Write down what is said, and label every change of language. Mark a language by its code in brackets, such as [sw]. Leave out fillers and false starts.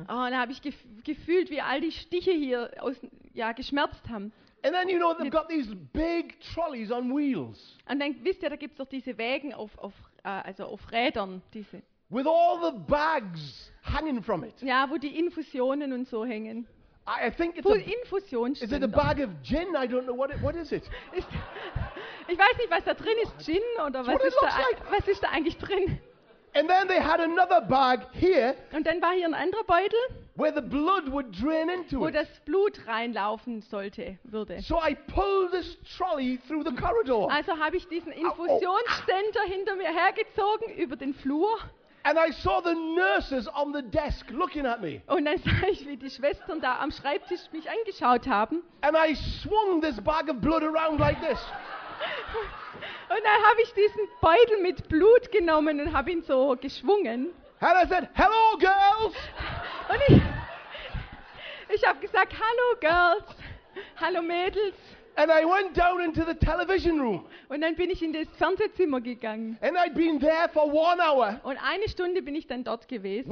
[de] Oh, da habe ich gefühlt, wie all die Stiche hier geschmerzt haben. [en] And then you know they've got these big trolleys on wheels. [de] Und dann wisst ihr, da gibt's doch diese Wägen auf Rädern, diese. [en] With all the bags hanging from it. [de] Ja, wo die Infusionen und so hängen. [en] I think it's full [de] Infusion. [en] Is it a bag of gin? I don't know what is it? [de] Ich weiß nicht, was da drin ist, Gin oder was ist da eigentlich drin? [en] And then they had another bag here. [de] Und dann war hier ein anderer Beutel. [en] Where the blood would drain into [de] it. Wo das Blut reinlaufen sollte, würde. [en] So I pulled this trolley through the corridor. [de] Also habe ich diesen Infusionsständer hinter mir hergezogen über den Flur. [en] And I saw the nurses on the desk looking at me. [de] Und dann sah ich, wie die Schwestern da am Schreibtisch mich angeschaut haben. [en] And I swung this bag of blood around like this. [de] Und dann habe ich diesen Beutel mit Blut genommen und habe ihn so geschwungen. [en] And I said, "Hello, girls." [de] Und ich habe gesagt, "Hallo, Girls." Hallo, Mädels. [en] And I went down into the television room. [de] Und dann bin ich in das Fernsehzimmer gegangen. [en] And I'd been there for 1 hour. [de] Und eine Stunde bin ich dann dort gewesen.